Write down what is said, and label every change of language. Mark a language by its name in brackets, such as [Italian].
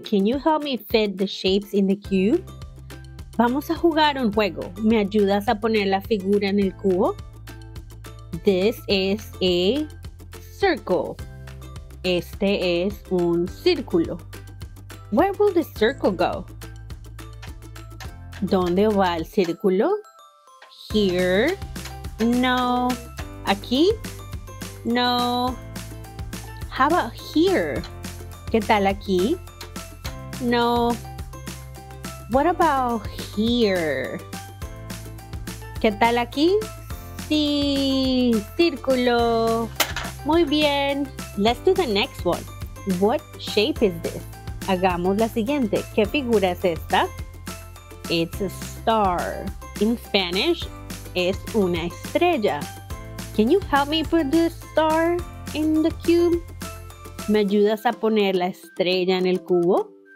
[English] Can you help me fit the shapes in the cube? [Spanish] Vamos a jugar un juego. ¿Me ayudas a poner la figura en el cubo? [English] This is a circle. [Spanish] Este es un círculo. [English] Where will the circle go? [Spanish] ¿Dónde va el círculo? [English] Here. No. [Spanish] ¿Aquí? No. [English] How about here? [Spanish] ¿Qué tal aquí? [English] No. What about here? [Spanish] ¿Qué tal aquí? Sí, círculo. Muy bien. [English] Let's do the next one. What shape is this? [Spanish] Hagamos la siguiente. ¿Qué figura es esta? [English] It's a star. In Spanish, [Spanish] es una estrella. [English] Can you help me put the star in the cube? [Spanish] ¿Me ayudas a poner la estrella en el cubo?